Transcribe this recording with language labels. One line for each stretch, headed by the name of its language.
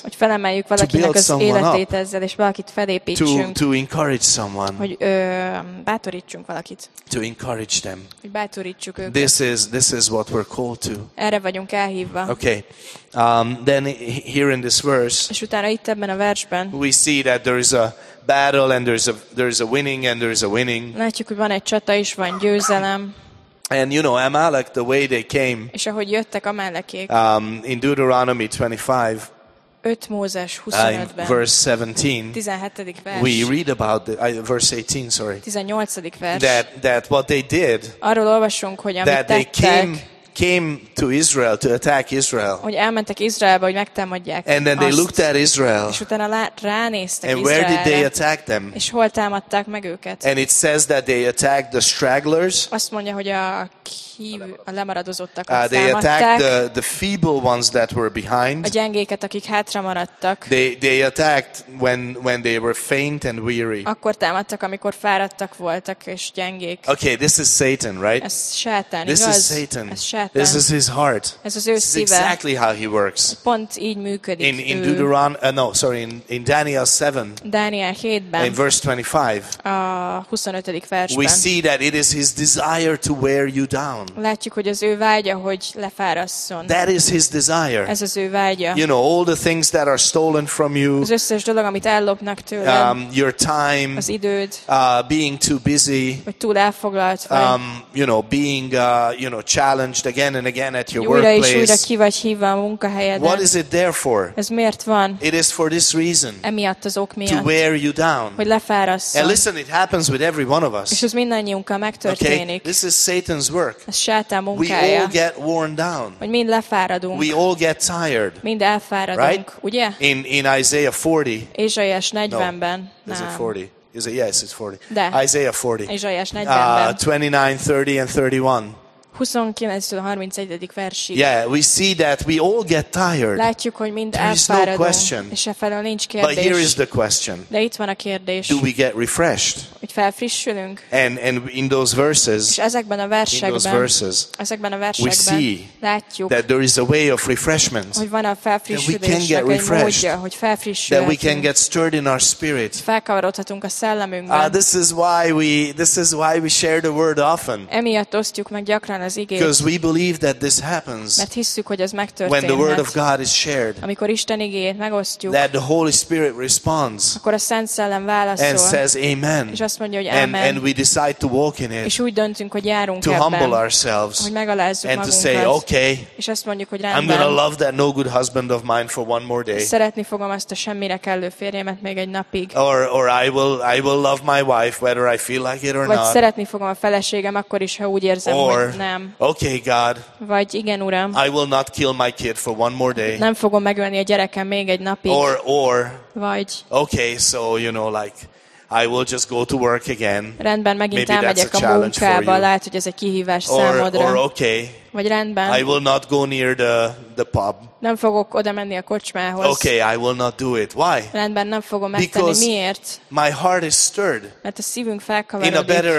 Hungarian: hogy felemeljük valakinek az életét ezzel, és valakit felépítsünk.
English: To encourage someone.
Hungarian: Hogy bátorítsunk valakit.
English: To encourage them.
Hungarian: Hogy bátorítsuk őket.
English: This is what we're called to.
Hungarian: Erre vagyunk elhívva.
English: Okay. Then here in this verse.
Hungarian: És utána itt ebben a versben.
English: We see that there is a battle and there is a winning and there is a winning.
Hungarian: Látjuk, hogy van egy csata és van győzelem.
English: And you know Amalek, the way they came.
Hungarian: És ahogy jöttek Amalekék.
English: In Deuteronomy 25.
Hungarian: 5 Mózes 25-ben.
English: Verse 17.
Hungarian: 17. vers.
English: We read about the verse 18, sorry.
Hungarian: 18. vers.
English: That what they did.
Hungarian: Arról olvasunk, hogy amit
English: that
Hungarian: tettek,
English: they came to Israel to attack Israel.
Hungarian: Hogy elmentek Izraelbe, hogy megtámadják.
English: And then they looked at Israel.
Hungarian: És utána ránéztek
English: and
Hungarian: Izraelre.
English: And where did they attack them?
Hungarian: És hol támadták meg őket?
English: And it says that they attacked the stragglers.
Hungarian: Azt mondja, hogy a lemaradozottak azt támadták.
English: They attacked the feeble ones that were behind.
Hungarian: A gyengéket, akik hátra maradtak.
English: They attacked when they were faint and weary.
Hungarian: Akkor támadtak, amikor fáradtak voltak és gyengék.
English: Okay, this is Satan, right?
Hungarian: Ez Sátán,
English: this
Hungarian: igaz?
English: Is Satan.
Hungarian: Ez Sátán.
English: This is his heart.
Hungarian: Ez az ő
English: this
Hungarian: szíve.
English: Is exactly how he works.
Hungarian: Pont így működik.
English: In in Daniel 7.
Hungarian: Daniel 7-ben.
English: In verse 25.
Hungarian: A 25. versben.
English: We see that it is his desire to wear you down.
Hungarian: Látjuk, hogy az ő vágya, hogy lefárasszon.
English: That is his desire.
Hungarian: Ez az ő vágya.
English: You know, all the things that are stolen from you.
Hungarian: Az összes dolog, amit ellopnak tőled.
English: Your time.
Hungarian: Az időd.
English: Being too busy.
Hungarian: Vagy túl elfoglalt vagy.
English: You know, being you know, challenged again and again at your
Hungarian: újra
English: workplace.
Hungarian: Újra és újra ki vagy hívva a munkahelyeden.
English: What is it there for?
Hungarian: Ez miért van?
English: It is for this reason.
Hungarian: Emiatt az ok miatt.
English: To wear you down.
Hungarian: Hogy lefárasszon.
English: And listen, it happens with every one of us.
Hungarian: És ez mindannyiunkkal megtörténik.
English: Okay? This is Satan's work.
Hungarian: Ez Sátán munkája.
English: We all get worn down.
Hungarian: Hogy mind lefáradunk.
English: We all get tired.
Hungarian: Mind elfáradunk,
English: right?
Hungarian: Ugye?
English: In Isaiah 40.
Hungarian: Ézsaiás 40-ben.
English: No. Is it 40? Is it? Yes, it's 40.
Hungarian: De.
English: Isaiah 40.
Hungarian: Ézsaiás 40-ben.
English: 29, 30 and 31.
Hungarian: 29-31. versig.
English: Yeah, we see that we all get tired.
Hungarian: Látjuk, hogy mind elfáradunk.
English: There is no question.
Hungarian: És e felől nincs kérdés.
English: But here is the question.
Hungarian: De itt van a kérdés.
English: Do we get refreshed?
Hungarian: Hogy felfrissülünk?
English: And in those verses.
Hungarian: És ezekben a versekben.
English: In those verses.
Hungarian: Ezekben a versekben.
English: We see.
Hungarian: Látjuk.
English: That there is a way of refreshment.
Hungarian: Hogy van a felfrissülésnek egy módja.
English: That we can get refreshed.
Hungarian: Hogy felfrissülhetünk.
English: That we can get stirred in our spirit.
Hungarian: Felkavarodhatunk a szellemünkben.
English: This is why we share the word often.
Hungarian: Emiatt osztjuk meg gyakran az igét.
English: Because we believe that this happens.
Hungarian: Mert hisszük, hogy ez megtörténhet.
English: When the word of God is shared.
Hungarian: Amikor Isten igéjét megosztjuk.
English: That the Holy Spirit responds.
Hungarian: Akkor a Szent Szellem válaszol.
English: And says amen.
Hungarian: És azt mondja, hogy amen.
English: And we decide to walk in it.
Hungarian: És úgy döntünk, hogy járunk ebben.
English: To humble ourselves.
Hungarian: Hogy megalázzuk magunkat.
English: And to say okay.
Hungarian: És azt mondjuk, hogy rendben.
English: I'm gonna love that no good husband of mine for one more day.
Hungarian: Szeretni fogom azt a semmire kellő férjemet még egy napig.
English: Or I will love my wife whether I feel like it or not.
Hungarian: Vagy szeretni fogom a feleségem akkor is, ha úgy érzem,
English: or,
Hungarian: hogy nem.
English: Okay, God.
Hungarian: Vagy igen, Uram.
English: I will not kill my kid for one more day.
Hungarian: Nem fogom megölni a gyerekem még egy napig.
English: Or.
Hungarian: Vagy.
English: Okay, so you know, like I will just go to work again.
Hungarian: Rendben, megint elmegyek a munkába. Lehet, hogy ez egy kihívás számodra.
English: Or okay.
Hungarian: Vagy rendben.
English: I will not go near the pub.
Hungarian: Nem fogok oda menni a kocsmához.
English: Okay, I will not do it. Why?
Hungarian: Rendben, nem fogom megtenni.
English: Because
Hungarian: miért?
English: My heart is stirred.
Hungarian: Mert a szívünk felkavarodik.